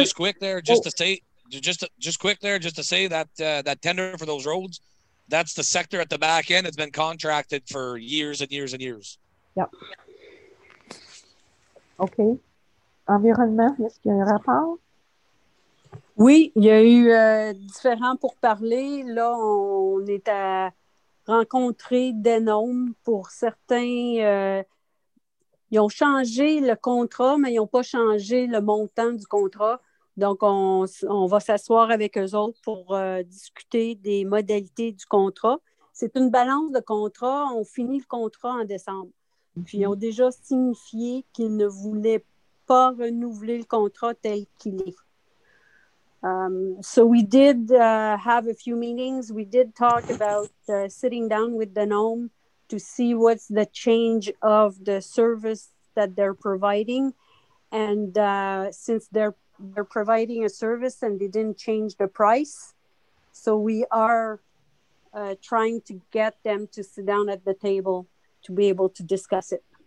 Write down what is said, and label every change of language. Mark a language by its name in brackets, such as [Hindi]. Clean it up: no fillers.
[English] Just quick there, just to say, just quick there, just to say that that tender for those roads, that's the sector at the back end. It's been contracted for years and years and years. Yep. OK. [French] Environnement, est-ce qu'il y a un rapport? Oui, il y a eu différents pourparlers. Là, on est à rencontrer des noms pour certains. Ils ont changé le contrat, mais ils n'ont pas changé le montant du contrat. Donc, on va s'asseoir avec eux autres pour discuter des modalités du contrat. C'est une balance de contrat. On finit le contrat en décembre. Puis, ils ont déjà signifié qu'ils ne voulaient pas renouveler le contrat tel qu'il est. [English] So we did have a few meetings. We did talk about sitting down with the gnome to see what's the change of the service that they're providing. And since they're providing a service and they didn't change the price, so we are trying to get them to sit down at the table to be able to discuss it.